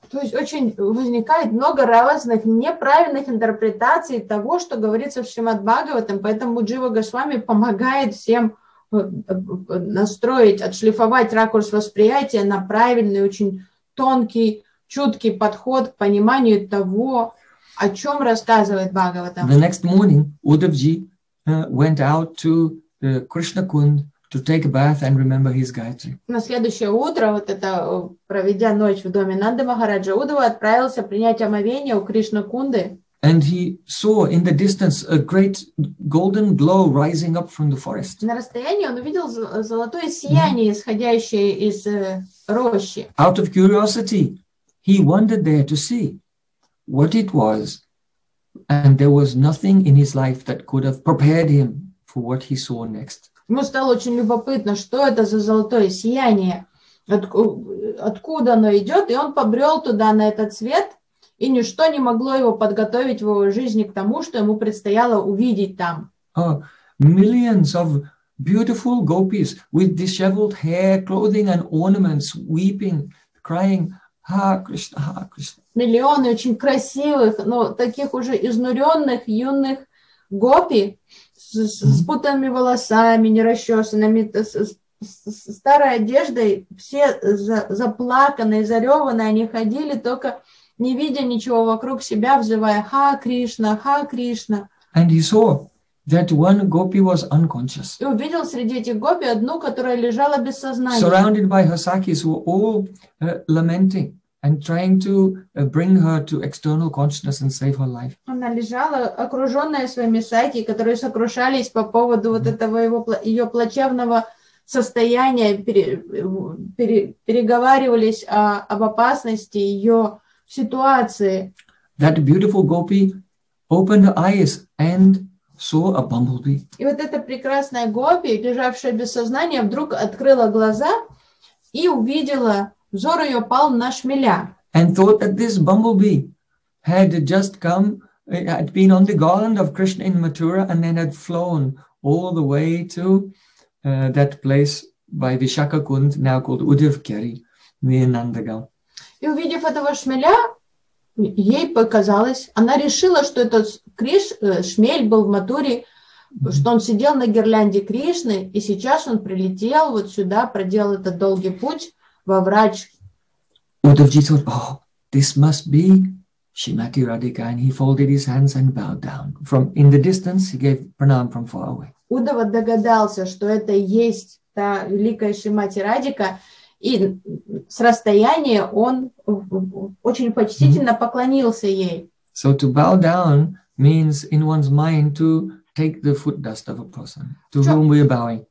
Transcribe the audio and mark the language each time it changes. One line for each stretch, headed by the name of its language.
Russian: То есть очень возникает много разных неправильных интерпретаций того, что говорится в Шримад-Бхагаватам, поэтому Джива Госвами помогает всем настроить, отшлифовать ракурс восприятия на правильный, очень тонкий, чуткий подход к пониманию того, о чем рассказывает Бхагаватам.
English: The next morning, Удавджи went out to Krishna Kund to take a bath and remember his Gayatri.
Russian: На следующее утро, вот это проведя ночь в доме Нанды Махараджа, Удава отправился принять омовение у Кришна Кунды.
English: And he saw in the distance a great golden glow rising up from the forest.
Russian: На расстоянии он увидел золотое сияние, исходящее из рощи.
English: Out of curiosity, he wandered there to see what it was, and there was nothing in his life that could have prepared him for what he saw next.
Russian: Ему стало очень любопытно, что это за золотое сияние, откуда оно идет, и он побрел туда, на этот свет, и ничто не могло его подготовить в его жизни к тому, что ему предстояло увидеть там.
English: Millions of beautiful gopis with disheveled hair, clothing and ornaments, weeping, crying,
Russian: Миллионы очень красивых, но таких уже изнуренных юных гопи с спутанными волосами, нерасчесанными, с старой одеждой, все заплаканные, зареванные, они ходили, только не видя ничего вокруг себя, взывая «Ха, Кришна! Ха, Кришна!»
English: And he saw that one gopi was unconscious.
Russian: И увидел среди этих гопи одну, которая лежала без сознания.
English: Surrounded by her sakis, who were all lamenting and trying to bring her to external consciousness and save her life.
Russian: Она лежала, окруженная своими сакхи, которые сокрушались по поводу вот этого его ее плачевного состояния, переговаривались об опасности ее ситуации.
English: That beautiful gopi opened her eyes and saw a bumblebee.
Russian: И вот эта прекрасная гопи, лежавшая без сознания, вдруг открыла глаза и увидела. Взор ее пал на шмеля.
English: And thought that this bumblebee had just come, had been on the garland of Krishna in Mathura, and then had flown all the way to that place by Vishakakund, now called Udivkeri, near Nandagam.
Russian: И увидев этого шмеля, ей показалось, она решила, что этот шмель был в Матуре, что он сидел на гирлянде Кришны, и сейчас он прилетел вот сюда, проделал этот долгий путь.
English: Удавджи thought, oh, this must be Shrimati Radhika, and he folded his hands and bowed down. From in the distance, he gave pranam from far away.
Russian: Удава догадался, что это есть та великая Шримати Радика, и с расстояния он очень почтительно поклонился ей.
English: So to bow down means in one's mind to take the foot dust of a person to whom we are bowing.